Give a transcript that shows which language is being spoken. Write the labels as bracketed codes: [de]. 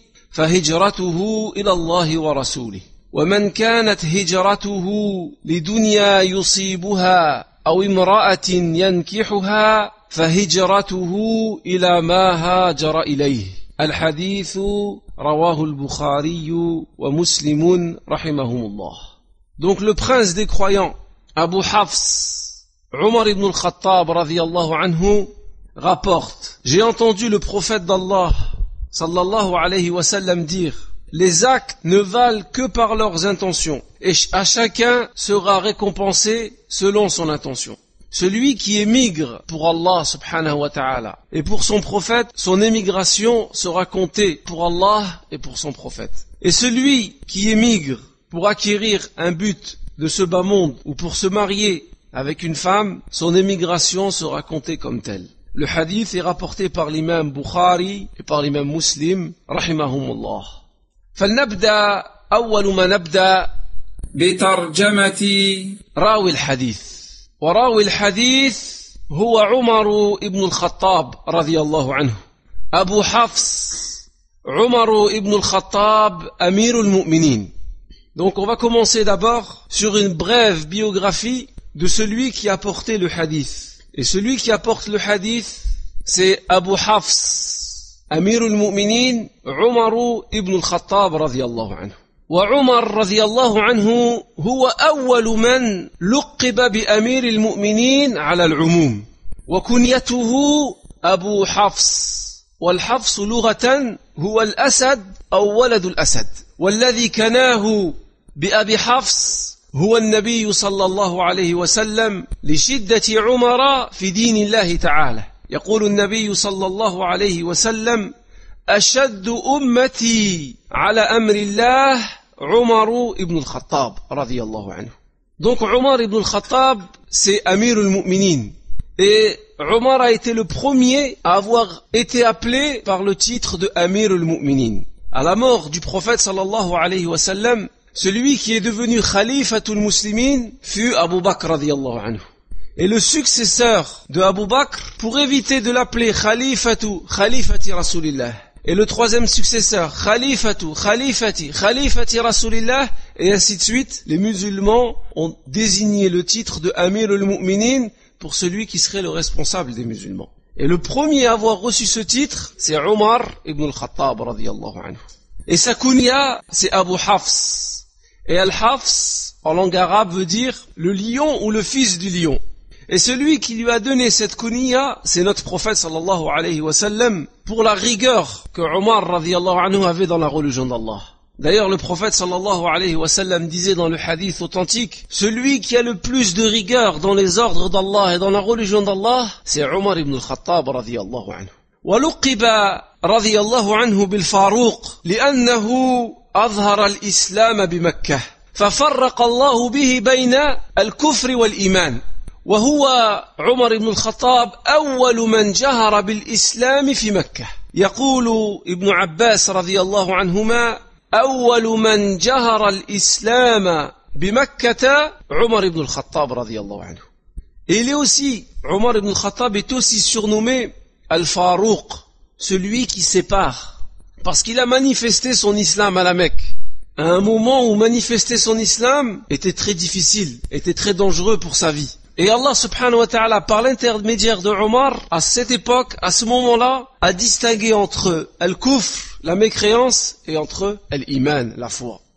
[ar] فهجرته إلى الله ورسوله، ومن كانت هجرته لدنيا يصيبها أو امرأة ينكحها فهجرته إلى ما هاجر إليه. الحديث رواه البخاري ومسلم رحمهم الله. [fr] Donc le prince des croyants, Abu Hafs, Omar ibn al-Khattab radiyallahu anhu, rapporte: j'ai entendu le prophète d'Allah sallallahu alayhi wa sallam dire: les actes ne valent que par leurs intentions, et à chacun sera récompensé selon son intention. Celui qui émigre pour Allah subhanahu wa ta'ala et pour son prophète, son émigration sera comptée pour Allah et pour son prophète. Et celui qui émigre pour acquérir un but de ce bas monde ou pour se marier avec une femme, son émigration sera comptée comme telle. Le hadith est rapporté par l'imam Bukhari et par l'imam Muslim, rahimahumullah. [ar] فلنبدأ أول ما نبدأ بترجمة راوي الحديث، وراوي الحديث هو عمر ابن الخطاب رضي الله عنه، أبو حفص، عمر ابن الخطاب أمير المؤمنين. [fr] Donc on va commencer d'abord sur une brève biographie de celui qui a porté le hadith. Et celui qui a porté le hadith, c'est Abu Hafs. [ar] أمير المؤمنين عمر ابن الخطاب رضي الله عنه. وعمر رضي الله عنه هو أول من لقب بأمير المؤمنين على العموم، وكنيته أبو حفص، والحفص لغة هو الأسد أو ولد الأسد، والذي كناه بأبي حفص هو النبي صلى الله عليه وسلم لشدة عمر في دين الله تعالى. يقول النبي صلى الله عليه وسلم: أشد أمتي على أمر الله عمر ابن الخطاب رضي الله عنه. Donc عمر ابن الخطاب c'est أمير المؤمنين. [fr] Et عمر a été le premier à avoir été appelé par le titre de أمير المؤمنين. À la mort du prophète [ar] صلى الله عليه وسلم, [fr] celui qui est devenu [ar] خليفة المسلمين [fr] fut أبو بكر [ar] رضي الله عنه. [fr] Et le successeur de Abu Bakr, pour éviter de l'appeler Khalifatu, Khalifati Rasulillah. Et le troisième successeur, Khalifatu, Khalifati, Khalifati Rasulillah. Et ainsi de suite, les musulmans ont désigné le titre de Amir al-Mu'minin pour celui qui serait le responsable des musulmans. Et le premier à avoir reçu ce titre, c'est Omar ibn al-Khattab radiyallahu anhu. Et sa kunya, c'est Abu Hafs. Et Al-Hafs, en langue arabe, veut dire le lion ou le fils du lion. Et celui qui lui a donné cette kunya, c'est notre prophète sallallahu alayhi wa sallam, pour la rigueur que Omar radiallahu anhu avait dans la religion d'Allah. D'ailleurs, le prophète sallallahu alayhi wa sallam disait dans le hadith authentique: celui qui a le plus de rigueur dans les ordres d'Allah et dans la religion d'Allah, c'est Omar ibn al-Khattab radiallahu anhu. [ar] وَلُقِّبَ رَضِيَ anhu bil faruq لِأَنَّهُ أَظْهَرَ الْإِسْلَامَ بِمَكَّةِ ففرق الله به بين الكفر والإيمان، وهو عمر بن الخطاب أول من جهر بالإسلام في مكة. يقول ابن عباس رضي الله عنهما: أول من جهر الإسلام بمكة عمر بن الخطاب رضي الله عنه. [fr] Et il est aussi, Omar ibn Khattab est aussi surnommé Al-Farouq, celui qui sépare. Parce qu'il a manifesté son islam à la Mecque. À un moment où manifester son islam était très difficile, était très dangereux pour sa vie. Et Allah subhanahu wa ta'ala, par l'intermédiaire de Omar, à cette époque, à ce moment-là, a distingué entre Al-Kufr, la mécréance, et entre Al-Iman, la foi.